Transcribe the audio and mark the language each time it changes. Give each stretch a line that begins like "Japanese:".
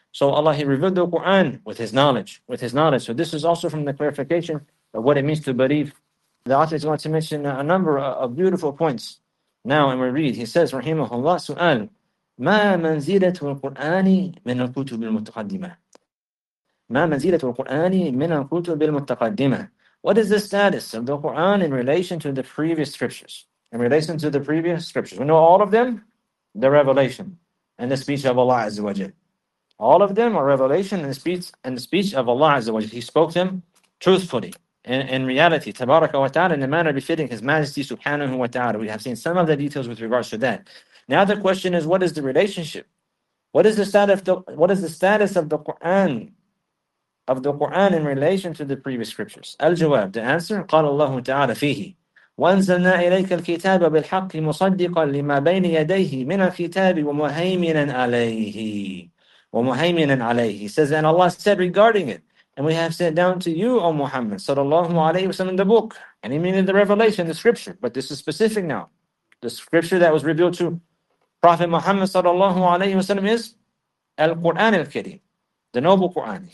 English: So Allah, he revealed the Quran with his knowledge. With his knowledge. So this is also from the clarification of what it means to believe. The author is going to mention a number of beautiful points. Now, and we read, he says, rahimahullah,
Arabic: سؤال ما منزلة القرآن من الكتب المتقدمة. ما منزلة القرآن من الكتب المتقدمة.
English: What is the status of the Quran in relation to the previous scriptures? In relation to the previous scriptures. We know all of them, the revelation and the speech of Allah Azza wa Jal. All of them are revelation and the speech of Allah Azza wa Jal. He spoke them truthfully in reality, tabaraka wa ta'ala, in a manner befitting His Majesty subhanahu wa ta'ala. We have seen some of the details with regards to that. Now the question is, what is the relationship? What is the status of the Quran? Of the Quran in relation to the previous scriptures.
Arabic: Al-Jawab,
English: the answer,
Arabic: قال الله تعالى فيه وَأَنزَلْنَا إِلَيْكَ الْكِتَابَ بِالْحَقِّ مُصَدِّقًا لِمَا بَيْنِ يَدَيْهِ مِنَ الْكِتَابِ وَمُهَيْمِنًا عَلَيْهِ وَمُهَيْمِنًا عَلَيْهِ.
English: He says, and Allah said regarding it, and we have sent down to you, O Muhammad, sallallahu alayhi wa sallam, the book. And he meaning the revelation, the scripture, but this is specific now. The scripture that was revealed to Prophet Muhammad sallallahu alayhi wa sallam is Al-Quran Al-Kareem, the noble Quran.